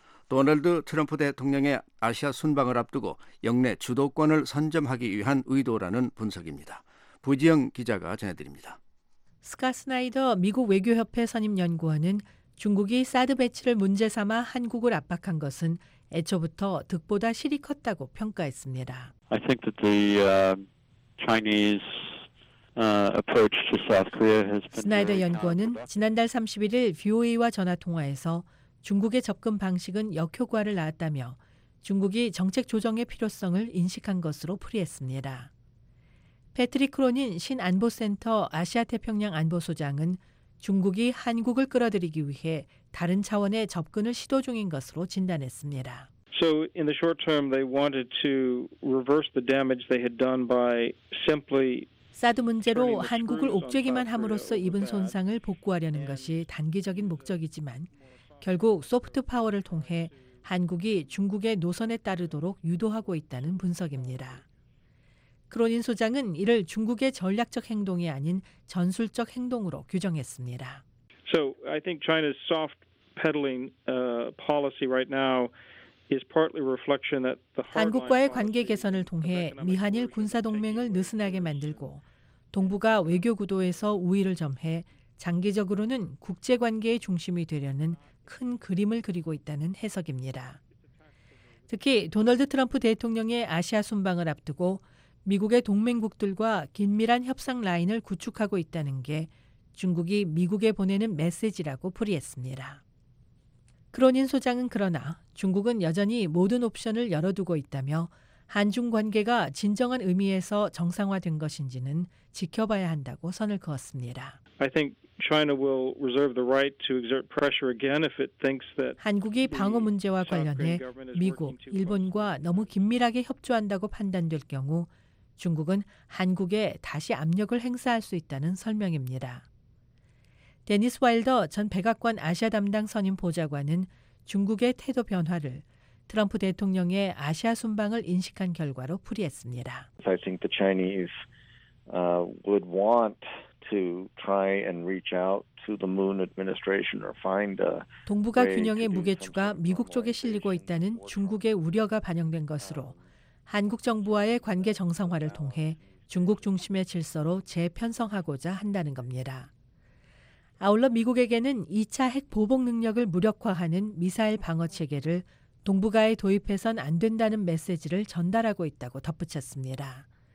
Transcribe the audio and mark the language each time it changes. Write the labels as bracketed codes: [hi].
[ko] 도널드 트럼프 대통령의 아시아 순방을 앞두고 영내 주도권을 선점하기 위한 의도라는 분석입니다. 부지영 기자가 전해드립니다. 스캇 스나이더 미국 외교협회 선임연구원은 중국이 사드 배치를 문제 삼아 한국을 압박한 것은 애초부터 득보다 실이 컸다고 평가했습니다. [en] I think that the Chinese approach to South Korea has been [ko] 스나이더 연구원은 지난달 31일 VOA와 전화 통화에서 중국의 접근 방식은 역효과를 낳았다며 중국이 정책 조정의 필요성을 인식한 것으로 풀이했습니다. 패트릭 크로닌 신안보센터 아시아태평양 안보소장은 중국이 한국을 끌어들이기 위해 다른 차원의 접근을 시도 중인 것으로 진단했습니다. [en] So in the short term, they wanted to reverse the damage they had done by simply [ko] 사드 문제로 한국을 옥죄기만 함으로써 입은 손상을 복구하려는 것이 단기적인 목적이지만 결국 소프트 파워를 통해 한국이 중국의 노선에 따르도록 유도하고 있다는 분석입니다. 크로닌 소장은 이를 중국의 전략적 행동이 아닌 전술적 행동으로 규정했습니다. [en] So I think China's soft peddling policy right now is partly reflection that the [ko] 한국과의 관계 개선을 통해 미한일 군사 동맹을 느슨하게 만들고 동북아 외교 구도에서 우위를 점해 장기적으로는 국제 관계의 중심이 되려는 큰 그림을 그리고 있다는 해석입니다. 특히 도널드 트럼프 대통령의 아시아 순방을 앞두고 미국의 동맹국들과 긴밀한 협상 라인을 구축하고 있다는 게 중국이 미국에 보내는 메시지라고 풀이했습니다. 크로닌 소장은 그러나 중국은 여전히 모든 옵션을 열어두고 있다며 한중 관계가 진정한 의미에서 정상화된 것인지는 지켜봐야 한다고 선을 그었습니다. [en] I think China will reserve the right to exert pressure again if it thinks that [ko] 한국이 방어 문제와 관련해 미국, 일본과 너무 긴밀하게 협조한다고 판단될 경우 중국은 한국에 다시 압력을 행사할 수 있다는 설명입니다. 데니스 와일더 전 백악관 아시아 담당 선임 보좌관은 중국의 태도 변화를 트럼프 대통령의 아시아 순방을 인식한 결과로 풀이했습니다. [en] I think the Chinese would want to try and reach out to the Moon administration or find a [ko] 동북아 균형의 무게추가 미국 쪽에 실리고 있다는 중국의 우려가 반영된 것으로 한국 정부와의 관계 정상화를 통해 중국 중심의 질서로 재편성하고자 한다는 겁니다. 아울러 미국에게는 2차 핵 보복 능력을 무력화하는 미사일 방어 체계를 동북아에 도입해선 안 된다는 메시지를 전달하고 있다고 덧붙였습니다.